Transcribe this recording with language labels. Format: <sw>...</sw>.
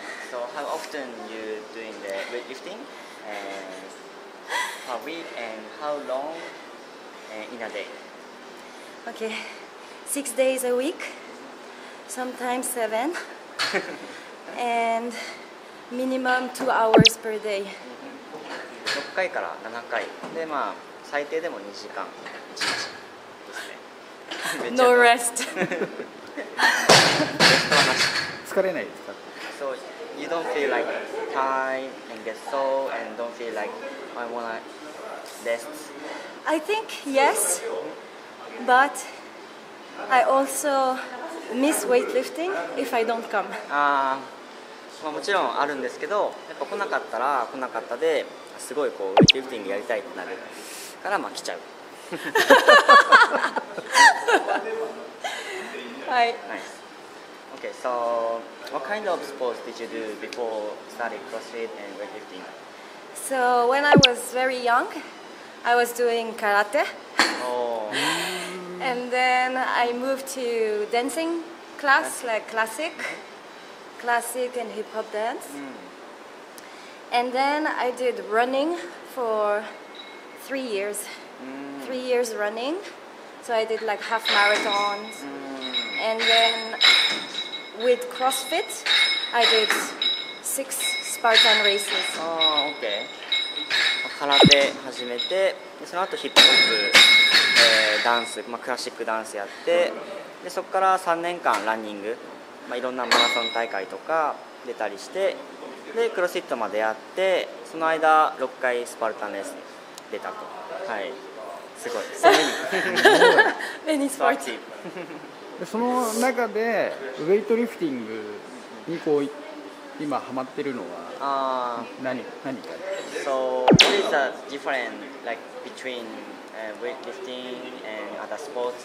<en>So how often you doing the weightlifting per week and how long in a day? Okay, 6 days a week, sometimes seven, and minimum 2 hours per day.</en> <ja>6回から7回で、まあ最低でも2時間ですね。</ja> <en>No rest.</en> <ja>疲れないですか？</ja> <en>So you don't feel like tired and get sore and don't feel like I wanna rest. I think yes, but I also miss weightlifting if I don't come.</en> <ja>まあ、もちろんあるんですけど、やっぱ来なかったら来なかったで、すごいこうウェイトリフティングやりたいってなるから、まあ来ちゃう。はい。</ja> <en>Nice. Okay, so what kind of sports did you do before starting CrossFit and weightlifting? So when I was very young, I was doing karate. Oh. And then I moved to dancing class, like classic. Classic and hip hop dance.、Mm. And then I did running for 3 years.、Mm. 3 years running. So I did like half marathons.、Mm. And then with CrossFit, I did 6 Spartan races. Oh, okay.</en> <ja>Karate 始めて、その後ヒップホップ、ダンス、まあ、クラシックダンスやって、でそこから3年間ランニング。まあ、いろんなマラソン大会とか出たりして、でクロスフィットまでやって、その間6回スパルタンレースに出たと。はい、すごい、そういうふうにスパーティー。その中でウェイトリフティングにこう今ハマってるのは何か。</ja> <en>So what is the difference like between weightlifting and other sports?</en>